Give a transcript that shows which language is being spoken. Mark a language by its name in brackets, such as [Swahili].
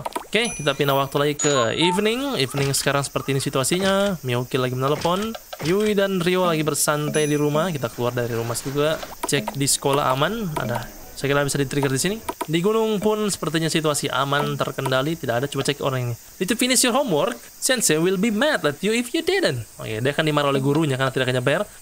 [Indonesian] Oke, kita pindah waktu lagi ke evening. Evening sekarang seperti ini situasinya. Miyuki lagi menelepon. Yui dan Rio lagi bersantai di rumah. Kita keluar dari rumah juga. Cek di sekolah aman. Ada. Saya kira bisa di-trigger di sini. Di gunung pun sepertinya situasi aman, terkendali. Tidak ada, coba cek orang ini. [English] Did you finish your homework? Sensei will be mad at you if you didn't. [Indonesian] Oke, dia akan dimarah oleh gurunya karena tidak kenyabar.